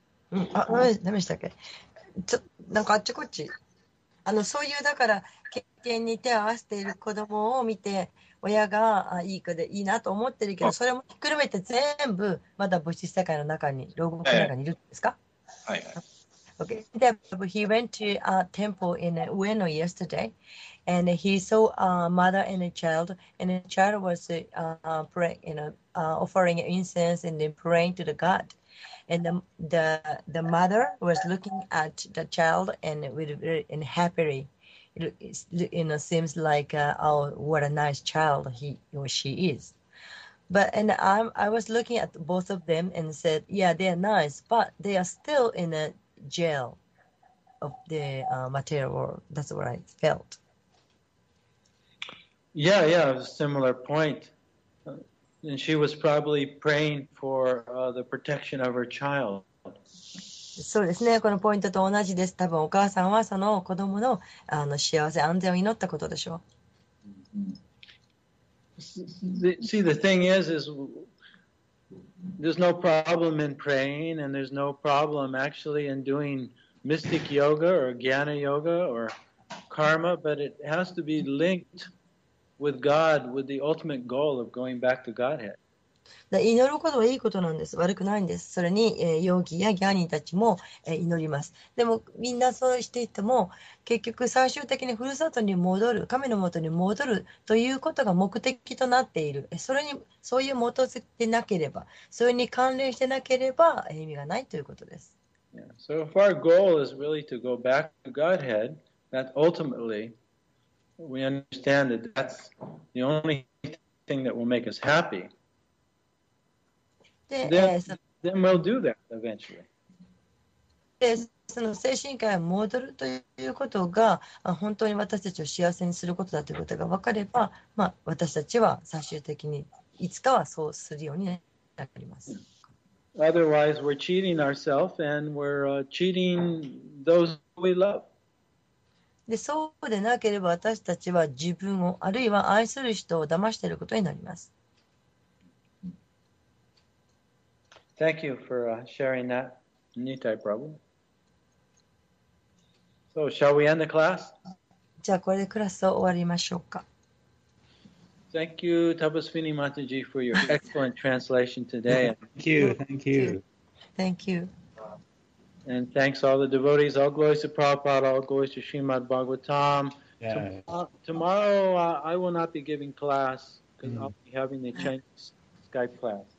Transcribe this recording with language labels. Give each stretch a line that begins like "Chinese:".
Japanese: うん、あ、何でしたっけ、ちょなんかあちこち、あのそういうだから経験に手を合わせている子どもを見て、親があいい子でいいなと思ってるけど、それもひっくるめて全部まだ物質世界の中に、牢獄の中にいるんですか。はいはい。
English: Okay, he went to a temple in Ueno yesterday, and he saw a mother and a child was praying, you know, offering incense and then praying to the god. And the mother was looking at the child and with and happily, you know, seems like, oh, what a nice child he or she is. But, and I was looking at both of them and said, yeah, they are nice, but they are still in a,jail of the material world. That's what I felt. Yeah, yeah, a similar point. And she was probably praying for the protection of her child.
Japanese: そうですね、このポイントと同じです。多分お母さんはその子供の、あの幸せ、安全を祈ったことでしょう。
English: Mm-hmm. See, the thing is there's no problem in praying, and there's no problem actually in doing mystic yoga or jnana yoga or karma, but it has to be linked with God, with the ultimate goal of going back to Godhead.
Japanese: 祈ることはいいことなんです。悪くないんです。それに、ヨーギーやギャニーたちも、祈ります。でもみんなそうしていても、結局最終的にふるさとに戻る、神のもとに戻るということが目的となっている。それにそういう基づきでなければ、それに関連してなければ、意味がないということです。
English: Yeah. So if our goal is really to go back to Godhead, that ultimately we understand that that's the only thing that will make us happy. Then we'll do that eventually.
Japanese: で、その精神界に戻るということが本当に私たちを幸せにすることだということが分かれば、まあ私たちは最終的にいつかはそうするようになります。
English: Otherwise, we're cheating ourselves and we're cheating those we love.
Japanese: で、そうでなければ私たちは自分をあるいは愛する人を騙していることになります。
English: Thank you for sharing that, Nitai Prabhu. So, shall we end the class?
Japanese: じゃあこれでクラスを終わりましょうか。
English: Thank you, Tapaswini Mataji, for your excellent translation today. Thank you. And thanks all the devotees. All glories to Prabhupada, all glories to Srimad Bhagavatam. Yeah. Tomorrow, I will not be giving class because I'll be having the Chinese Skype class.